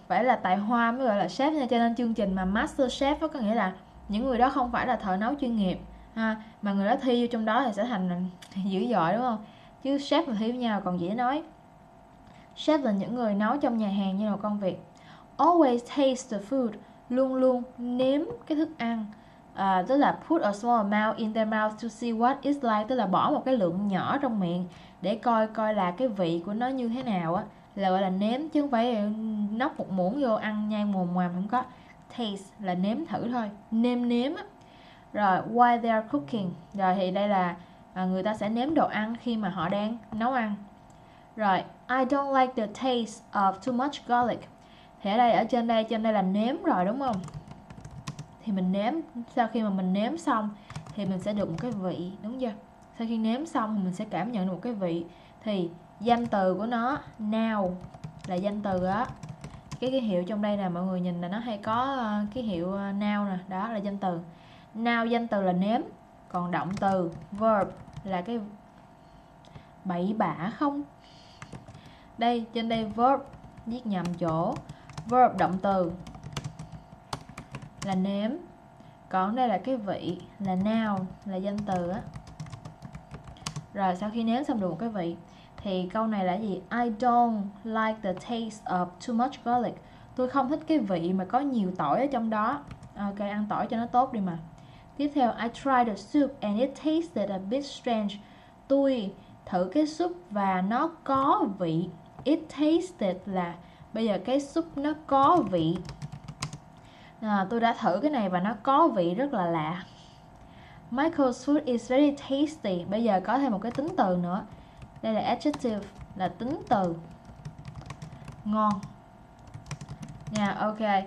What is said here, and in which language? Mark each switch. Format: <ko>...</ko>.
<vi>Phải là tài hoa mới gọi là chef nha. Cho nên chương trình mà Master Chef đó, có nghĩa là những người đó không phải là thợ nấu chuyên nghiệp ha, mà người đó thi vô trong đó thì sẽ thành dữ dội đúng không? Chứ chef mà thi với nhau còn dễ nói. Chef là những người nấu trong nhà hàng như là một công việc.</vi> <en>Always taste the food.</en> <vi>Luôn luôn nếm cái thức ăn. Tức là</vi> <en>put a small amount in their mouth to see what it's like.</en> <vi>Tức là bỏ một cái lượng nhỏ trong miệng để coi coi là cái vị của nó như thế nào á, là gọi là nếm chứ không phải nốc một muỗng vô ăn nhai mồm ngoàm, không có. Taste là nếm thử thôi, nêm nếm á. Rồi</vi> <en>while they are cooking,</en> <vi>rồi thì đây là người ta sẽ nếm đồ ăn khi mà họ đang nấu ăn.</vi> <en>Rồi I don't like the taste of too much garlic.</en> <vi>Thì ở đây, ở trên đây là nếm rồi đúng không? Thì mình nếm, sau khi mà mình nếm xong thì mình sẽ được một cái vị, đúng chưa? Sau khi nếm xong thì mình sẽ cảm nhận được một cái vị. Thì danh từ của nó, now là danh từ á. Cái hiệu trong đây nè, mọi người nhìn là nó hay có cái hiệu now nè. Đó là danh từ. Now danh từ là nếm. Còn động từ, verb là cái bậy bạ không? Đây, trên đây verb viết nhầm chỗ. Verb động từ là nếm. Còn đây là cái vị, là noun, là danh từ á. Rồi sau khi nếm xong được một cái vị thì câu này là gì?</vi> <en>I don't like the taste of too much garlic.</en> <vi>Tôi không thích cái vị mà có nhiều tỏi ở trong đó. Ok, ăn tỏi cho nó tốt đi mà. Tiếp theo,</vi> <en>I tried the soup and it tasted a bit strange.</en> <vi>Tôi thử cái súp và nó có vị.</vi> <en>It tasted</en> <vi>là bây giờ cái súp nó có vị. À, tôi đã thử cái này và nó có vị rất là lạ.</vi> <en>Michael's food is very tasty.</en> <vi>Bây giờ có thêm một cái tính từ nữa. Đây là adjective, là tính từ. Ngon. Ok.</vi>